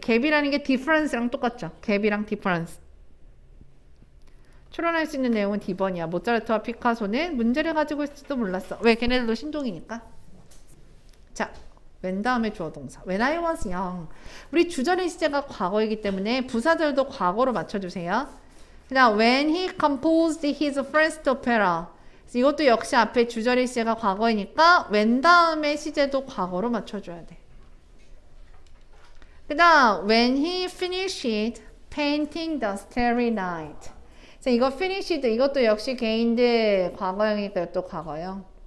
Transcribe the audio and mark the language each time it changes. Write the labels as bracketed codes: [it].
[ko] 갭이라는 게 디퍼런스랑 똑같죠. 갭이랑 디퍼런스. 추론할 수 있는 내용은 D번이야. 모차르트와 피카소는 문제를 가지고 있을지도 몰랐어. 왜? 걔네들도 신종이니까. 자, when 다음에 주어 동사. [en] When I was young. [ko] 우리 주전의 시제가 과거이기 때문에 부사절도 과거로 맞춰주세요. 그 다음, [en] when he composed his first opera. [ko] 이것도 역시 앞에 주전의 시제가 과거이니까 when 다음에 시제도 과거로 맞춰줘야 돼. 그 다음, [en] when he finished painting the starry night. [ko] 자, 이거 finished, 이것도 역시 gained 과거형이니까 또 과거형.